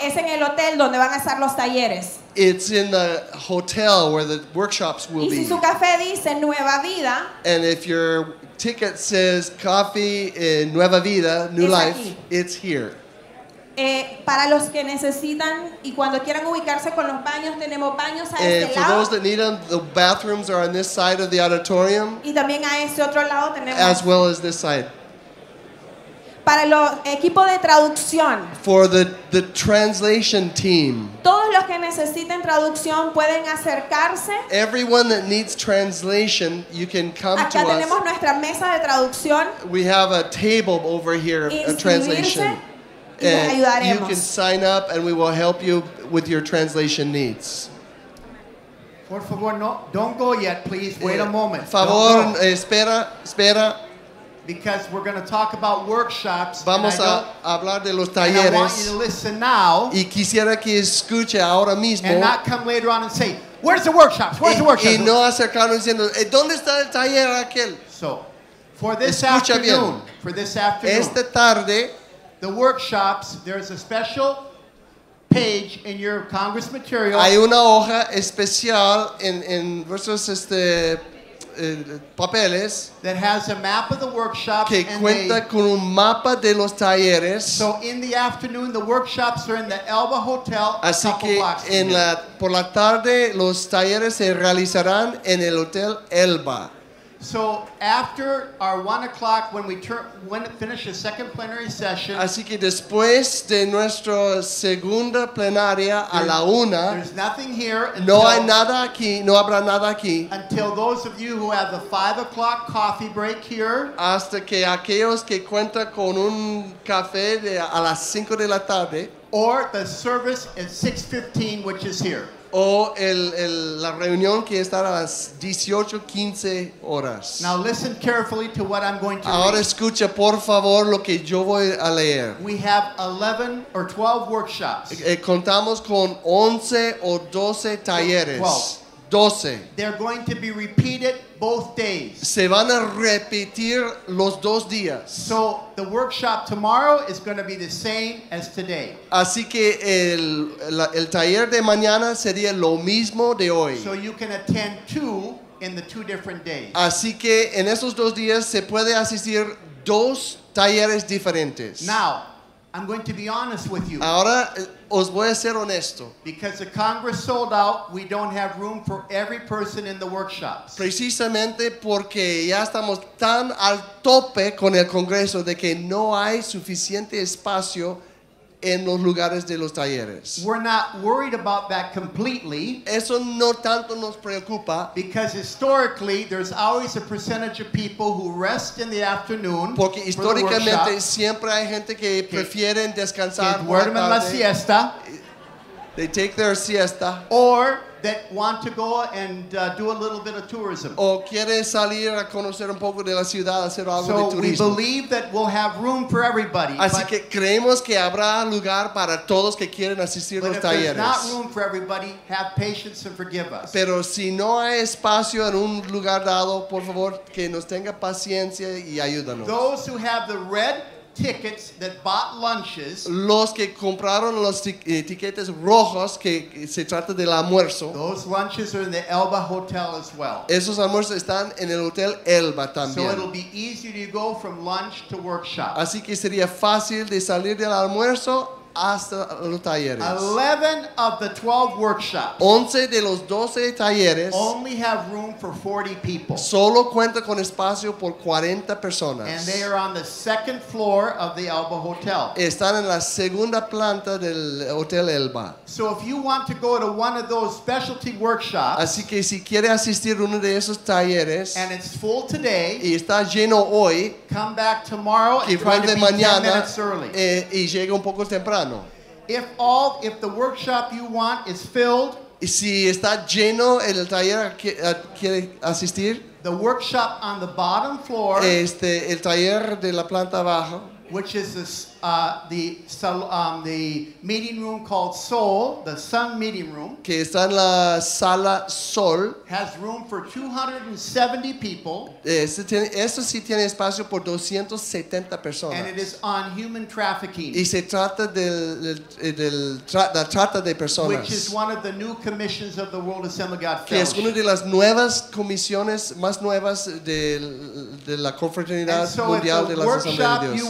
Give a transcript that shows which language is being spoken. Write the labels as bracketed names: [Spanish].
[Spanish] Es en el hotel donde van a estar los talleres. [English] It's in the hotel where the workshops will be. [Spanish] Y si su café dice Nueva Vida. [English] And if your ticket says coffee in Nueva Vida, New Life, it's here. [Spanish] Para los que necesitan y cuando quieran ubicarse con los baños, tenemos baños a este [English] For those that need them, the bathrooms are on this side of the auditorium. [Spanish] Y también a este otro lado tenemos. [English] As well as this side. [Spanish] Para el equipo de traducción. [English] For the translation team. [Spanish] Todos los que necesiten traducción pueden acercarse. [English] Everyone that needs translation, you can come [Spanish] acá [English] to us. [Spanish] Acá tenemos nuestra mesa de traducción. [English] We have a table over here, a translation. [Spanish] And les ayudaremos. [English] You can sign up and we will help you with your translation needs. [Spanish] Por favor, no, [English] don't go yet, please. Wait a moment. [Spanish] Favor, espera, espera. [English] Because we're going to talk about workshops. [Spanish] Vamos a hablar de los talleres. [English] And I want you to listen now. [Spanish] Y quisiera que escuche ahora mismo. [English] And not come later on and say, where's the workshops? Where's the workshops? [Spanish] Y no acercarnos diciendo, ¿dónde está el taller aquel? [English] So, for this [Spanish] escucha [English] afternoon. [Spanish] Bien. [English] For this afternoon. [Spanish] Esta tarde. [English] The workshops, there's a special page in your Congress material. [Spanish] Hay una hoja especial en versos papeles [English] that has a map of the workshops [Spanish] que cuenta con un mapa de los talleres. [English] So in the afternoon the workshops are in the Elba Hotel. [Spanish] Así que en la por la tarde los talleres se realizarán en el Hotel Elba. [English] So after our 1 o'clock when it finishes second plenary session. [Spanish] Así que después de nuestra segunda plenaria a la una. [English] There's nothing here. Until, [Spanish] no hay nada aquí. No habrá nada aquí. [English] Until those of you who have the 5 o'clock coffee break here. [Spanish] Hasta que aquellos que cuentan con un café de a las 5 de la tarde. [English] Or the service at 6:15, which is here. [Spanish] O la reunión que estará a las 18:15 horas. [English] Now listen carefully to what I'm going to read. [Spanish] Ahora escucha por favor lo que yo voy a leer. [English] We have 11 or 12 workshops. [Spanish] Contamos con 11 o 12 talleres. 12. [English] They're going to be repeated both days. [Spanish] Se van a repetir los dos días. [English] So the workshop tomorrow is going to be the same as today. [Spanish] Así que el taller de mañana sería lo mismo de hoy. [English] So you can attend two in the two different days. [Spanish] Así que en esos dos días se puede asistir dos talleres diferentes. [English] Now, I'm going to be honest with you. [Spanish] Ahora, os voy a ser honesto. [English] Because the Congress sold out, we don't have room for every person in the workshops. [Spanish] Precisamente porque ya estamos tan al tope con el Congreso de que no hay suficiente espacio en los lugares de los talleres. [English] We're not worried about that completely. [Spanish] Eso no tanto nos preocupa. [English] Because historically, there's always a percentage of people who rest in the afternoon. [Spanish] Porque históricamente siempre hay gente que prefieren descansar. Que duermen la siesta. [English] They take their siesta. Or that want to go and do a little bit of tourism. [Spanish] O quiere salir a conocer un poco de la ciudad, hacer algo [English] so [Spanish] de turismo. [English] So we believe that we'll have room for everybody. [Spanish] Así que creemos que habrá lugar para todos que quieren asistir a los talleres. [English] But if there's not room for everybody, have patience and forgive us. [Spanish] Pero si no hay espacio en un lugar dado, por favor, que nos tenga paciencia y ayúdanos. [English] Those who have the red tickets that bought lunches. [Spanish] Los que compraron los tiquetes rojos que se trata del almuerzo. [English] Those lunches are in the Elba Hotel as well. [Spanish] Esos almuerzos están en el hotel Elba también. [English] So it'll be easier to go from lunch to workshop. [Spanish] Así que sería fácil de salir del almuerzo hasta los talleres. [English] 11 of the 12 workshops. [Spanish] 11 de los 12 talleres. [English] Only have room for 40 people. [Spanish] Solo cuenta con espacio por 40 personas. [English] And they are on the second floor of the Elba Hotel. [Spanish] Están en la segunda planta del Hotel Elba. [English] So if you want to go to one of those specialty workshops. [Spanish] Así que si quiere asistir uno de esos talleres. [English] And it's full today. [Spanish] Y está lleno hoy. [English] Come back tomorrow and try to be [Spanish] mañana, [English] 10 minutes early. [Spanish] Y llega un poco temprano. [English] If the workshop you want is filled, [Spanish] si está lleno el taller quiere asistir, [English] the workshop on the bottom floor, [Spanish] el taller de la planta baja, [English] which is the meeting room called Sol, the Sun meeting room, [Spanish] que está en la sala Sol, [English] has room for 270 people. [Spanish] Eso sí tiene espacio por 270 personas. [English] And it is on human trafficking. [Spanish] Y se trata de la trata de personas. [English] Which is one of the new commissions of the World Assembly God Fellowship. [Spanish] Que es una de las nuevas comisiones más nuevas de la Confraternidad Mundial de las Asambleas de Dios.